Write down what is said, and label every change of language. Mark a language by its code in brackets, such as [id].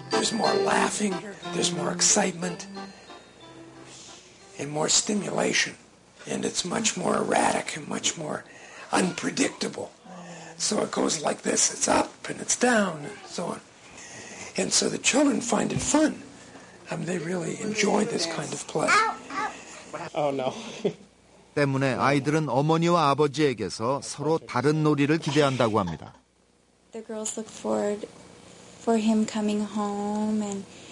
[en] There's more excitement and more stimulation, and it's much more erratic and much more unpredictable. So it goes like this: it's up and it's down, and so on. And so the children find it fun. I mean, they really enjoy this kind of play. Oh no. [ko] 때문에 아이들은 어머니와 아버지에게서 서로 다른 놀이를 기대한다고 합니다. [en] The girls look forward for him coming home and.